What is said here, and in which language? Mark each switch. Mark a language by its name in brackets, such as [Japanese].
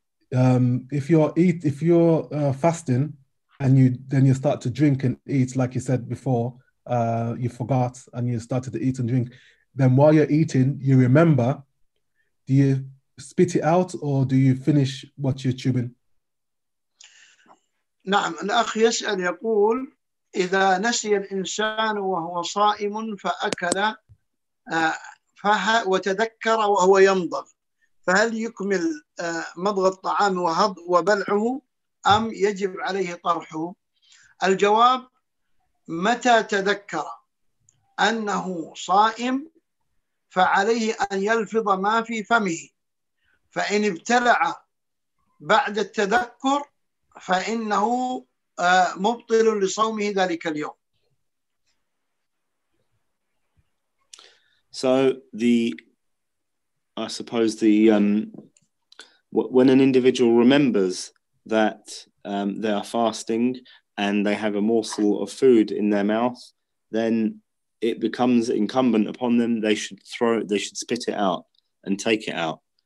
[English] If you're fasting and you start to drink and eat, like you said before, you forgot and you started to eat and drink, then while you're eating, you remember, do you spit it out or do you finish what you're chewing? [Arabic] نعم الأخ يسأل يقول إذا نسي الإنسان وهو صائم فأكل وتذكر وهو يمضغ فهل يكمل مضغ الطعام وهض وبلعه أم يجب عليه طرحه؟ الجواب متى تذكر أنه صائم فعليه أن يلفظ ما في فمه، فإن ابتلع بعد التذكر فإنه مبطل لصومه ذلك اليوم. [English] So the, I suppose the, when an individual remembers that they are fasting and they have a morsel of food in their mouth, then it becomes incumbent upon them, they should spit it out and take it out.